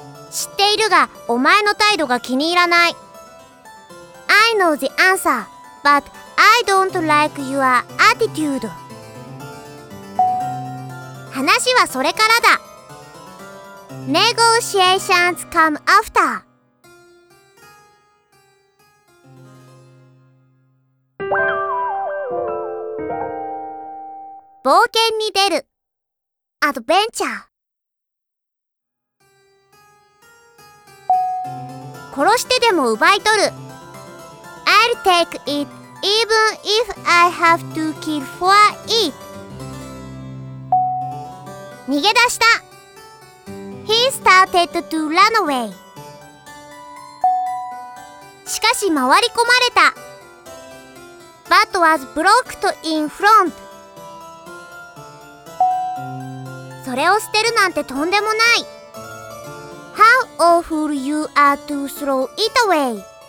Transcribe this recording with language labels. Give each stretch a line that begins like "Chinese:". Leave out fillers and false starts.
Japanese: 知っているが、お前の態度が気に入らない。
English: I know the answer, but I don't like your attitude。
Japanese: 話はそれからだ。 Negotiations come after。冒険に出る。アドベンチャー。殺してでも奪い取る。
English: I'll take it even if I have to kill for it。
Japanese: 逃げ出した。 He started to run away。しかし回り込まれた。
English: But was blocked in front。
Japanese: それを捨てるなんてとんでもない。
English: How awful you are to throw it away。